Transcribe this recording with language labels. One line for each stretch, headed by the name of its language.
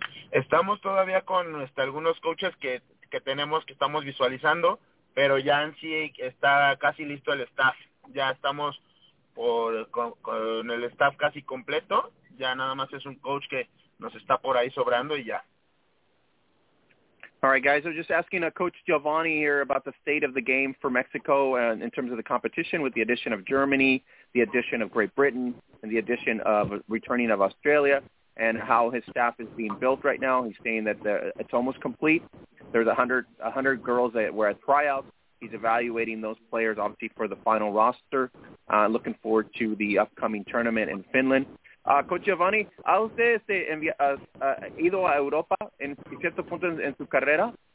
Spanish: Estamos todavía con algunos coaches que tenemos, que estamos visualizando, pero ya en sí está casi listo el staff. Ya estamos con el staff casi completo. Ya nada más es un coach que nos está por ahí sobrando y ya.
English: All right, guys. I was just asking Coach Giovanni here about the state of the game for Mexico in terms of the competition with the addition of Germany, the addition of Great Britain, and the addition of returning of Australia, and how his staff is being built right now. He's saying that it's almost complete. There's 100 girls that were at tryouts. He's evaluating those players, obviously, for the final roster. Looking forward to the upcoming tournament in Finland.
Spanish: Coach Giovanni, ¿a usted ha ido a Europa en cierto punto en su carrera?